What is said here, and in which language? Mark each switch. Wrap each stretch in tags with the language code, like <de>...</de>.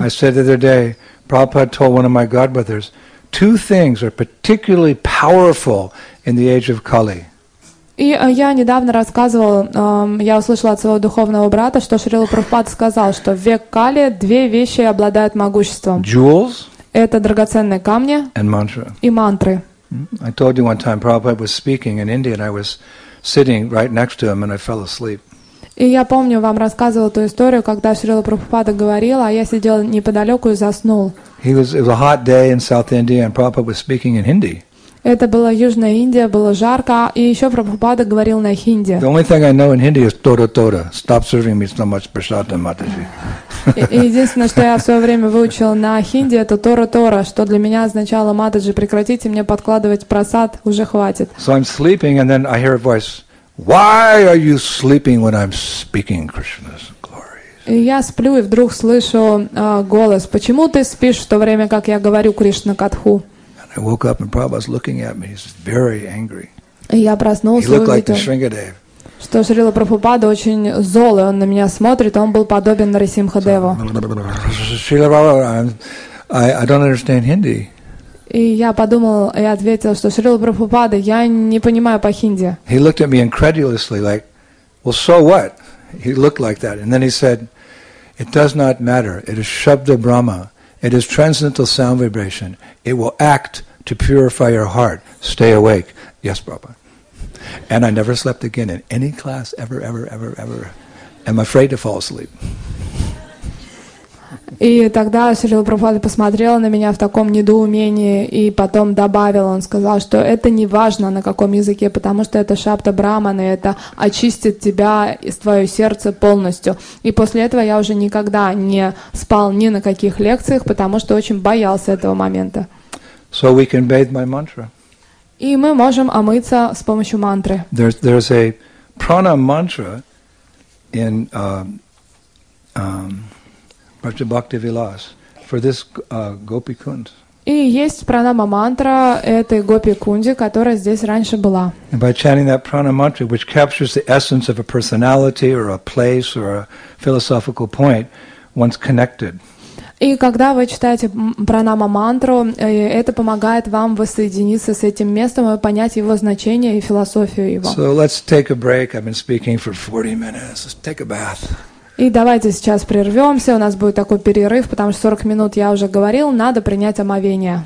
<en>I said the other day, Prabhupada told one of my godbrothers, two things are particularly powerful in the age of Kali.</en> <ru>И я недавно рассказывал, я услышала от своего духовного брата, что Шрила Прабхупада сказал, что в век Кали две вещи обладают могуществом.</ru> <en>Jewels.</en> <ru>Это драгоценные камни.</ru> <en>And mantra.</en> <ru>И мантры.</ru> <en>I told you one time Prabhupada was speaking in India, and I was sitting right next to him, and I fell asleep.</en> <ru>И я помню, вам рассказывал ту историю, когда Шрила Прабхупада говорил, а я сидел неподалеку и заснул.</ru> <en>It was a hot day in South India, and Prabhupada was speaking in Hindi.</en> <ru>Это была Южная Индия, было жарко, и еще Прабхупада говорил на хинди.</ru> <en>The only thing I know in Hindi is Tora Tora. Stop serving me so much prasadam, Mataji.</en> <ru>Единственное, что я в свое время выучил на хинди, это Тора Тора, что для меня означало Матаджи, прекратите мне подкладывать просад, уже хватит.</ru> <en>So I'm sleeping, and then I hear a voice. Why are you sleeping when I'm speaking Krishna's glories?</en> <ru>И я сплю, и вдруг слышу голос. Почему ты спишь в то время, как я говорю Кришна Катху?</ru> <en>I woke up and Prabhupada was looking at me. He's very angry.</en> <ru>Я проснулся,</ru> <en>he looked like the Shringadev.</en> <ru>Что Шрила Прабхупада очень злой, он на меня смотрит, он был подобен Нарисимхадеву.</ru> <en>I don't understand Hindi.</en> <ru>И я подумал и ответил, что Шрила Прабхупада, я не понимаю по хинди.</ru> <en>He looked at me incredulously, like, well, so what? He looked like that. And then he said, it does not matter. It is Shabda Brahma. It is transcendental sound vibration. It will act to purify your heart. Stay awake. Yes, Prabhupada. And I never slept again in any class ever, ever, ever, ever. I'm afraid to fall asleep.</en> <ru>И тогда Шрила Прабхупада посмотрела на меня в таком недоумении и потом добавил, он сказал, что это не важно на каком языке, потому что это Шабда Брахмана, это очистит тебя и твое сердце полностью. И после этого я уже никогда не спал ни на каких лекциях, потому что очень боялся этого момента.</ru> <en>So we can bathe by mantra.</en> <ru>И мы можем омыться с помощью мантры.</ru> <en>There's a prana mantra in Bhakti Bhakti Vilas for this Gopi Kund.</en> <ru>И есть пранама мантра этой Гопи Кунди, которая здесь раньше была.</ru> <en>And by chanting that prana mantra, which captures the essence of a personality or a place or a philosophical point, one's connected.</en> <ru>И когда вы читаете пранама мантру, это помогает вам воссоединиться с этим местом и понять его значение и философию его.</ru> <en>So let's take a break. I've been speaking for 40 minutes. Let's take a bath.</en> <ru>И давайте сейчас прервемся, у нас будет такой перерыв, потому что 40 минут я уже говорил, надо принять омовение.</ru>